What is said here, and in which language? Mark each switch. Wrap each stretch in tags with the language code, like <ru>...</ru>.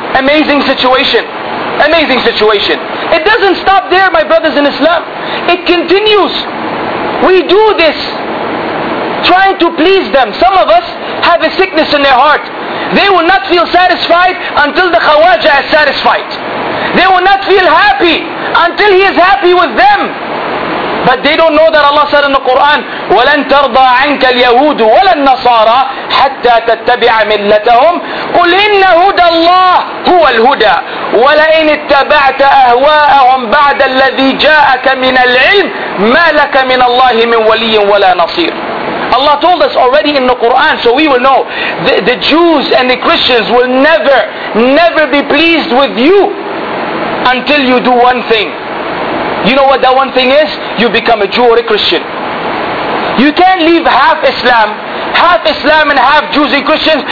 <en>Amazing situation. Amazing situation. It doesn't stop there, my brothers in Islam. It continues. We do this trying to please them. Some of us have a sickness in their heart. They will not feel satisfied until the Khawaja is satisfied. They will not feel happy until he is happy with them. But they don't know that Allah said in the Quran,</en> <ar>وَلَن تَرْضَى عَنْكَ الْيَهُودُ وَلَا النَّصَارَى حَتَّى تَتَّبِعَ مِلَّتَهُمْ قُلْ إِنَّ هُدَى اللَّهِ هُوَ الْهُدَى وَلَئِنِ اتَّبَعْتَ أَهْوَاءَهُمْ بَعْدَ الَّذِي جَاءَكَ مِنَ الْعِلْمِ مَا لَكَ مِنَ اللَّهِ مِنْ وَلِيٍّ وَلَا نَصِيرٍ.</ar> <en>Allah told us already in the Quran, so we will know, the Jews and the Christians will never, never be pleased with you until you do one thing. You know what that one thing is? You become a Jew or a Christian. You can't leave half Islam and half Jews and Christians.</en>